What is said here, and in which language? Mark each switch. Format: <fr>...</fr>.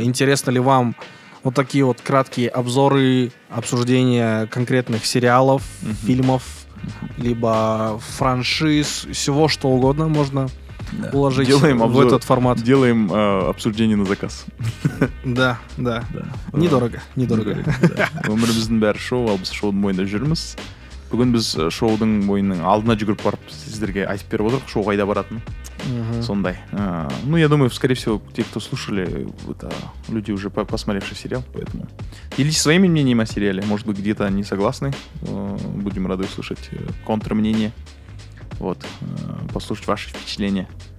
<ru>Интересно ли вам вот такие вот краткие обзоры, обсуждения конкретных сериалов, mm-hmm. фильмов, mm-hmm. либо франшиз, всего что угодно можно да, уложить делаем в обзор, этот формат. Делаем обсуждение на заказ. Да, да. Недорого, недорого.</ru> <kk>Өмір біздің бәрі шоу, ал біз шоудың мойнында жүрміз. Бүгін біз шоудың мойнының алдына жүгіріп барып сіздерге айтып беріп отырық, шоу қайда баратын. Сондай.</kk> <ru>Ну, я думаю, скорее всего, те, кто слушали, это люди, уже посмотревшие сериал, поэтому делитесь своими мнениями о сериале. Может быть, где-то не согласны. Будем рады услышать контрмнение. Вот, послушать ваши впечатления.</ru>